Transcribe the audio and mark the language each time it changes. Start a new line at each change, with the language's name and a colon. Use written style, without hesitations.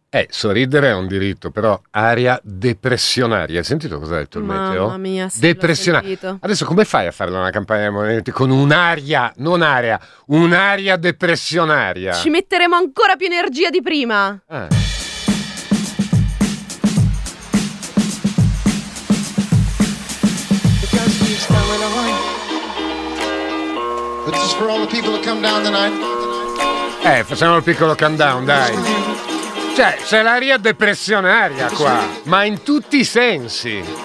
Italian: Sorridere è un diritto, però aria depressionaria. Hai sentito cosa ha detto il Mamma meteo? Mamma mia, sì, depressionaria. Adesso come fai a fare una campagna con un'aria, non aria, un'aria depressionaria? Ci metteremo ancora più energia di prima.
English: This is for all the people that come down tonight.
Italian: Facciamo il piccolo countdown, dai. Cioè, c'è l'aria depressionaria qua, ma in tutti i sensi.